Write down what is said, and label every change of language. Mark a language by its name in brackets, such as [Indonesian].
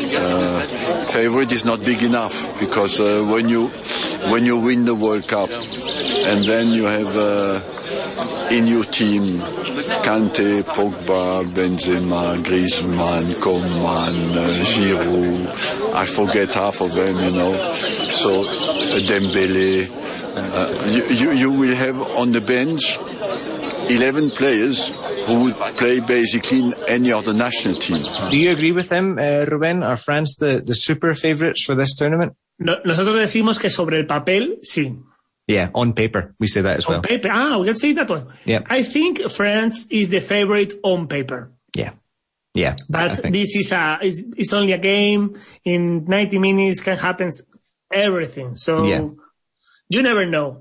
[English] Favourite is not big enough, because when you win the World Cup and then you have in your team Kante, Pogba, Benzema, Griezmann, Coman, Giroud, I forget half of them, you know. So Dembele, you will have on the bench 11 players who would play basically in any other national team. Do you agree with him, Ruben? Are France the super favourites for this tournament? [Spanish] Nosotros decimos que sobre el papel, sí. [English] Yeah, on paper, we say that as well. On paper, we can say that one. Yeah. I think France is the favourite on paper. Yeah, yeah. But this is it's only a game. In 90 minutes can happen everything. So yeah. You never know.